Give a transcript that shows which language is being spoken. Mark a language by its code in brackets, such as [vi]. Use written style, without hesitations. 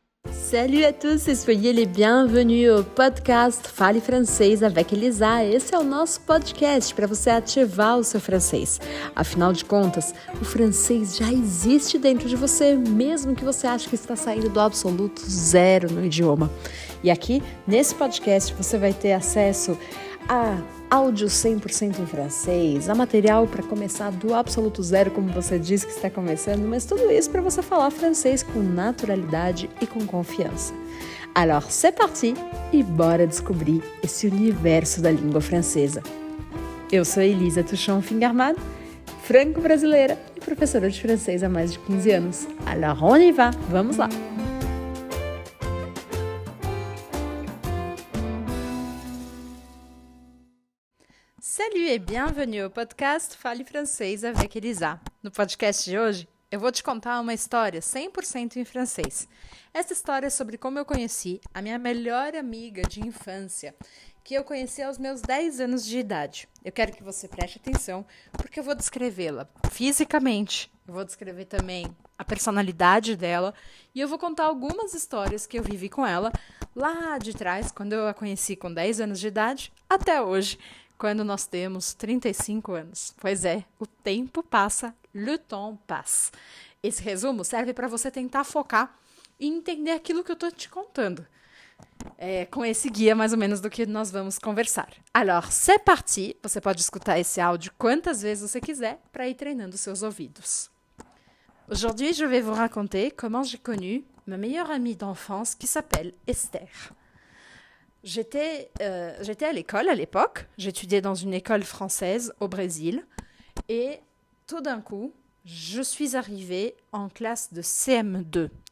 [fr] Salut à tous et soyez les bienvenus au podcast Fale Francês avec Elisa. [pt] Esse é o nosso podcast para você ativar o seu francês. Afinal de contas, o francês já existe dentro de você, mesmo que você ache que está saindo do absoluto zero no idioma. E aqui, nesse podcast, você vai ter acesso a áudio 100% em francês, a material para começar do absoluto zero, como você disse que está começando, mas tudo isso para você falar francês com naturalidade e com confiança. [fr] Alors, c'est parti [pt] e bora descobrir esse universo da língua francesa. Eu sou Elisa Touchon Fingarmad, franco-brasileira e professora de francês há mais de 15 anos. [fr] Alors, on y va, [pt] vamos lá! [fr] Salut et bienvenue au podcast Fale Francês avec Elisa. [pt] No podcast de hoje, eu vou te contar uma história 100% em francês. Essa história é sobre como eu conheci a minha melhor amiga de infância, que eu conheci aos meus 10 anos de idade. Eu quero que você preste atenção, porque eu vou descrevê-la fisicamente, eu vou descrever também a personalidade dela, e eu vou contar algumas histórias que eu vivi com ela lá de trás, quando eu a conheci com 10 anos de idade, até hoje, quando nós temos 35 anos. Pois é, o tempo passa, [fr] le temps passe. [pt] Esse resumo serve para você tentar focar e entender aquilo que eu estou te contando. É, com esse guia, mais ou menos, do que nós vamos conversar. [fr] Alors, c'est parti! [pt] Você pode escutar esse áudio quantas vezes você quiser para ir treinando seus ouvidos. [fr] Aujourd'hui, je vais vous raconter comment j'ai connu ma meilleure amie d'enfance qui s'appelle Esther. J'étais à l'école à l'époque, j'étudiais dans une école française au Brésil et tout d'un coup, je suis arrivée en classe de CM2.